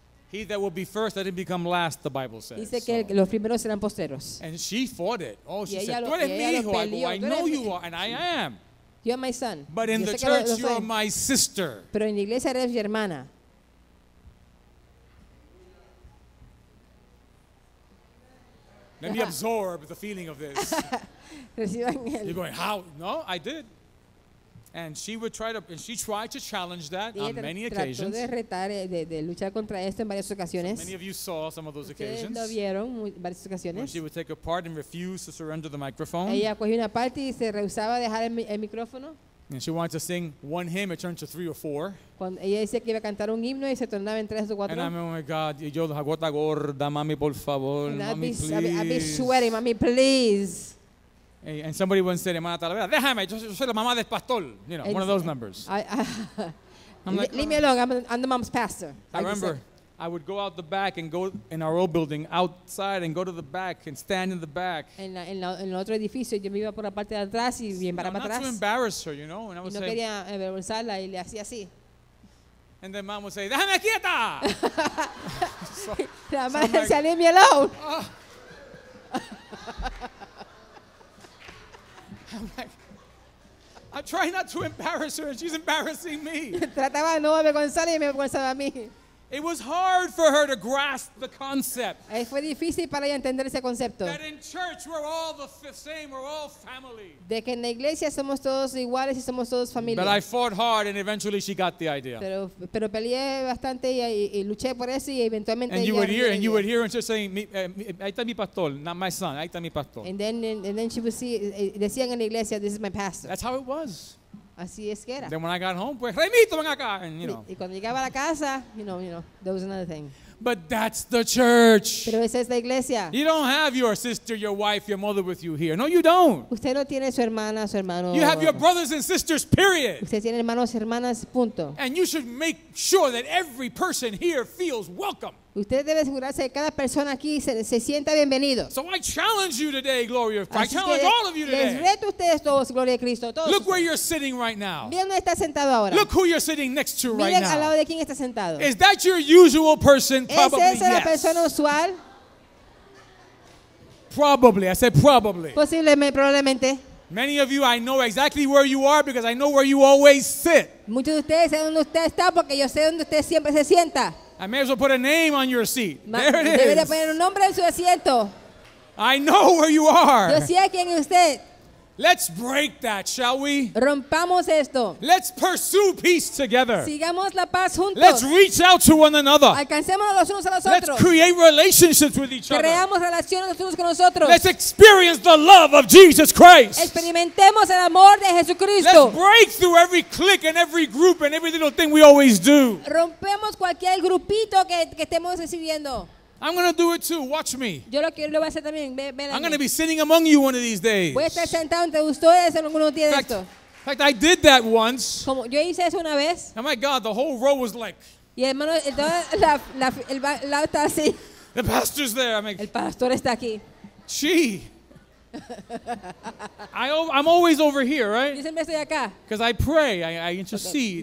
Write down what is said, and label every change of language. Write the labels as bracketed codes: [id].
[en] He that will be first, let him become last, the Bible says. [es] Dice que los primeros serán posteros. [en] And she fought it. Oh, she said, [es] tú eres mi hijo, [en] I know you are, and I am. You're my son. But in the church, you're my sister. [es] Pero en la iglesia eres mi hermana. [en] Let me absorb the feeling of this. You're going, how? No, I did. And she would try to, and she tried to challenge that on many occasions. [es] Trató de retar, de luchar contra esto en varias ocasiones. [en] Many of you saw some of those occasions. [es] Lo vieron varias ocasiones. [en] When she would take a part and refuse to surrender the microphone. [es] Ella cogió una parte y se rehusaba a dejar el micrófono. [en] And she wanted to sing one hymn, it turned to three or four. [es] Cuando ella decía que iba a cantar un himno y se tornaba en tres o cuatro. [en] And I'm, oh my God, [es] y yo la gota gorda, mami, por favor, mami, [en] please. I'd be sweating, mami, please. And somebody once said, [es] "Hermana Talavera, déjame, yo soy la mamá del pastor." [en] You know, one of those numbers. Leave me alone, I'm the mom's pastor. I remember I would go out the back and go in our old building outside and go to the back and stand in the back. [es] En el otro edificio, yo me iba por la parte de atrás y me paraba atrás. [en] Not to embarrass her, you know, and I would [es] say. No quería avergonzarla y le hacía así. [en] And then mom would say, [es] "Déjame quieta." La madre decía, [en] "Leave me alone." I'm like, I'm trying not to embarrass her, and she's embarrassing me. [es] Trataba de no avergonzarla y me avergonzaba a mí. [en] It was hard for her to grasp the concept. [es] Fue difícil para ella entender ese concepto. [en] That in church we're all the same, we're all family. [es] De que en la iglesia somos todos iguales y somos todos familia. [en] But I fought hard, and eventually she got the idea. [es] Pero peleé bastante y luché por eso y eventualmente. [en] And you would hear, and you would hear her just saying, [es] "Ahí está mi pastor, [en] not my son. [es] Ahí está mi pastor." [en] And then she would see, [es] decían en la iglesia, [en] "This is my pastor." That's how it was. [es] Así es que era. [en] Then when I got home, pues, [es] "Remito, ven acá," [en] and, you know. [es] Y cuando llegaba a la casa, [en] you know, there was another thing. But that's the church. [es] Pero esa es la iglesia. [en] You don't have your sister, your wife, your mother with you here. No, you don't. [es] Usted no tiene su hermana, su hermano. [en] You have your brothers and sisters, period. [es] Usted tiene hermanos, hermanas, punto. [en] And you should make sure that every person here feels welcome. [es] Usted debe asegurarse que cada persona aquí se sienta bienvenido. [en] So I challenge you today, Glory of Christ. I challenge all of you today. [es] Les reto a ustedes todos, Gloria de Cristo, todos. [en] Look where you're sitting right now. [es] Mira dónde está sentado ahora. [en] Look who you're sitting next to right now. [es] Mira al lado de quién está sentado. [en] Is that your usual person? Probably [es] yes. ¿Es esa la persona usual? [en] Probably. I said probably. [es] Posiblemente, probablemente. [en] Many of you, I know exactly where you are because I know where you always sit. [es] Muchos de ustedes saben dónde usted está porque yo sé dónde usted siempre se sienta. [en] I may as well put a name on your seat. There it is. [es] Debería poner un nombre en su asiento. [en] I know where you are. [es] Yo sé quién es usted. [en] Let's break that, shall we? [es] Rompamos esto. [en] Let's pursue peace together. [es] Sigamos la paz juntos. [en] Let's reach out to one another. [es] Alcancémonos los unos a los otros. [en] Let's create relationships with each other. [es] Creamos relaciones los unos con los otros. [en] Let's experience the love of Jesus Christ. [es] Experimentemos el amor de Jesucristo. [en] Let's break through every clique and every group and every little thing we always do. [es] Rompemos cualquier grupito que estemos recibiendo. [en] I'm going to do it too. Watch me. [es] Yo lo quiero, lo voy a hacer también. [en] I'm going to be sitting among you one of these days. [es] Voy a estar sentado entre ustedes en algunos días de esto. [en] In fact, I did that once. [es] Como yo hice eso una vez. [en] Oh my God, the whole row was like. [es] Y hermano, el lado está así. [en] The pastor's there. I'm like, [es] el pastor está aquí. [en] Gee. I'm always over here, right? [es] Yo siempre estoy acá. [en] Because I pray, I intercede,